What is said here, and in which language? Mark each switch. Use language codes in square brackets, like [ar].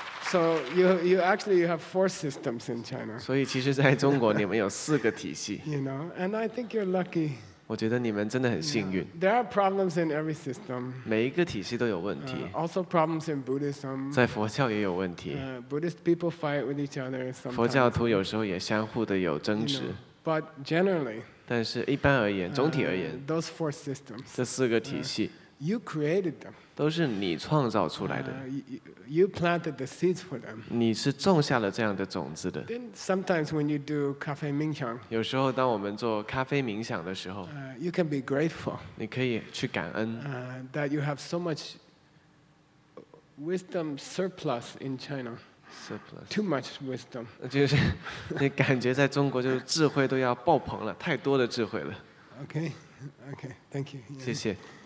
[en] So you actually you have four systems in China. [zh] 所以其实在中国你们有四个体系。 [en] You know, and I think you're lucky. [zh] 我觉得你们真的很幸运。 [en] There are problems in every system. [zh] 每一个体系都有问题。 [en] Also problems in Buddhism. [zh] 在佛教也有问题。 [en] Buddhist people fight with each other sometimes. [zh] 佛教徒有时候也相互的有争执。 [en] But generally. [zh] 但是一般而言，总体而言。 [en] Those four systems. [zh] 这四个体系。 [en] You created them. [zh] 都是你创造出来的。 [en] You planted the seeds for them. [zh] 你是种下了这样的种子的。 [en] Then sometimes when you do 咖啡冥想， [zh] 有时候当我们做咖啡冥想的时候， [en] you can be grateful. [zh] 你可以去感恩。 [en] That you have so much wisdom surplus in China. Surplus. Too much wisdom. [zh] 就是你感觉在中国就是智慧都要爆棚了，太多的智慧了。 [en] Okay. Thank you. [zh] 谢谢。